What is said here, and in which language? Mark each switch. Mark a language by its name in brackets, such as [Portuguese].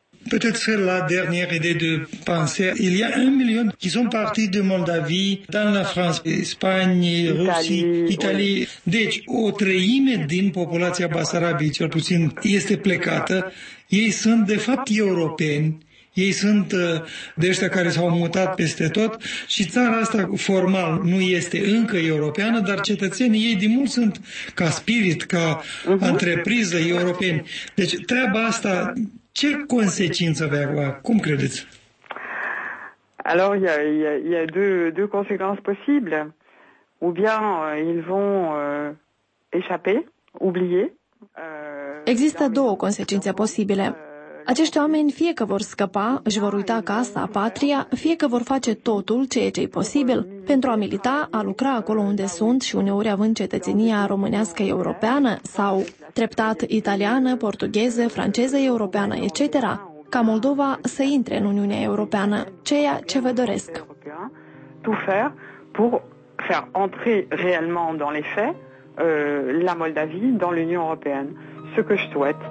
[French] Peut-être la dernière idée de penser, il y a 1 million qui sont partis de Moldavie dans la France, Espagne, Russie, Italie. [Romanian] Deci, o treime din populația Basarabiei, cel puțin, este plecată. Ei sunt, de fapt, europeni. Ei sunt de ăștia care s-au mutat peste tot și țara asta formal nu este încă europeană, dar cetățenii ei din mult sunt ca spirit, ca întrepriză europeni. Deci, treaba asta... Ce consecință va avea? Cum credeți? [French] Alors il y a deux conséquences possibles. Ou bien ils vont échapper, oublier. [Romanian] Există două consecințe posibile. Acești oameni fie că vor scăpa, își vor uita casa, patria, fie că vor face totul ceea ce e posibil pentru a milita, a lucra acolo unde sunt și uneori având cetățenia românească europeană sau treptat italiană, portugheză, franceză europeană, etc., ca Moldova să intre în Uniunea Europeană, ceea ce vă doresc. [French] Tout faire pour faire entrer réellement dans les faits la Moldavie dans l'Union Européenne, ce que je souhaite.